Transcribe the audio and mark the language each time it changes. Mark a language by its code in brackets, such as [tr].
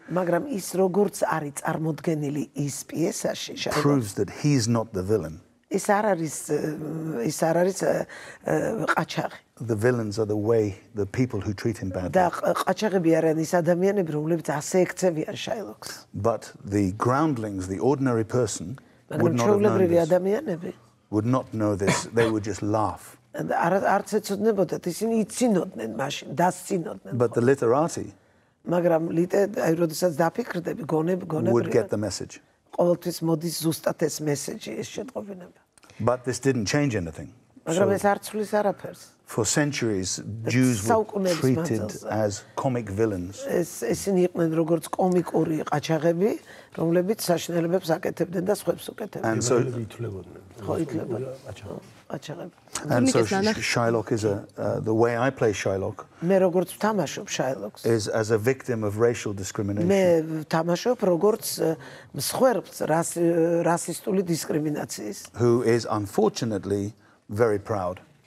[ka] მაგრამ ის როგორც არის წარმოდგენილი ის პიესაში, შეიძლება [en] proves that he's not the villain. [ka] ის არ არის ყაჩაღი. [en] The villains are the way the people who treat him badly. [ka] და ყაჩაღები არიან ის ადამიანები, რომლებიც ასე ექცევიან შაილოკს. [en] But the groundlings, the ordinary person would not know this. Would not know this. They would just laugh. [ka] And არც ეცოდნებოდათ, ისინი იცინოდნენ მაშინ, დასცინოდნენ. [en] But the literati [ka] მაგრამ ლიტე აი როდესაც დაფიქრდები გონებრივი [en] would get the message. [ka] ყოველთვის მოდის ზუსტად ეს მესეჯი ეს შეტყობინება. [en] But this didn't change anything. [ka] მაგრამ ეს არ ცვლის არაფერს. [en] For centuries Jews were treated as comic villains. [ka] ისინი იყვნენ როგორც კომიკური ყაჩაღები, რომლებიც საშინელებებს აკეთებდნენ და სხვებს უკეთებდნენ. [en] And so [ka] ითლებოდნენ. ხო, ითლებოდნენ. ყაჩაღები. [en] And so Shylock is the way I play Shylock. [ka] მე როგორც ვთამაშობ Shylocks. [en] Is as a victim of racial discrimination. [ka] მე ვთამაშობ როგორც მსხვერპლს რასისტული დისკრიმინაციის. [en] Who is unfortunately very proud.